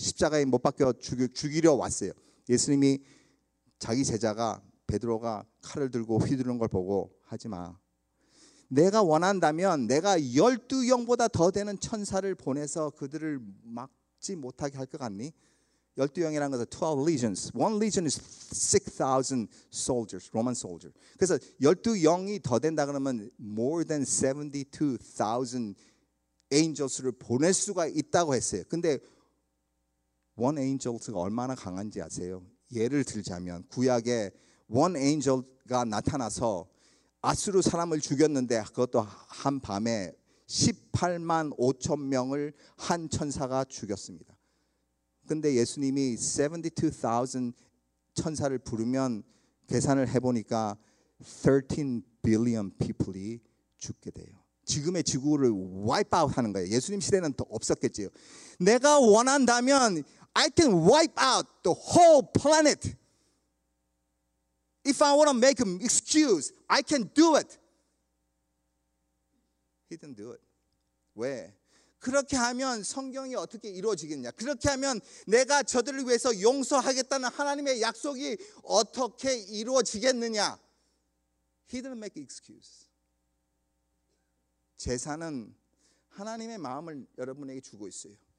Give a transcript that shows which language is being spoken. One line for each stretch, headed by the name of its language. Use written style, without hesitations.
Korean: 십자가에 못 박혀 죽이려 왔어요. 예수님이 자기 제자가 베드로가 칼을 들고 휘두르는 걸 보고 하지 마. 내가 원한다면 내가 열두 영보다 더 되는 천사를 보내서 그들을 막지 못하게 할 것 같니? 12영이라는 것은 12 legions.
English: One legion is 6,000 soldiers, Roman soldiers.
Korean: 그래서 12영이 더 된다 그러면
English: more than 72,000 angels
Korean: 를 보낼 수가 있다고 했어요. 근데 one angel가 얼마나 강한지 아세요? 예를 들자면 구약에 one angel가 나타나서 아수르 사람을 죽였는데 그것도 한 밤에 18만 5천 명을 한 천사가 죽였습니다. 근데 예수님이 72,000 천사를 부르면 계산을 해보니까
English: 13 billion people
Korean: 이 죽게 돼요. 지금의 지구를 와이프 아웃 하는 거예요. 예수님 시대는 더 없었겠지요. 내가 원한다면
English: I can wipe out the whole planet. If I want to make an excuse, I can do it. He didn't do it.
Korean: 왜? 그렇게 하면 성경이 어떻게 이루어지겠냐? 그렇게 하면 내가 저들을 위해서 용서하겠다는 하나님의 약속이 어떻게 이루어지겠느냐?
English: He didn't make an excuse.
Korean: 제사는 하나님의 마음을 여러분에게 주고 있어요.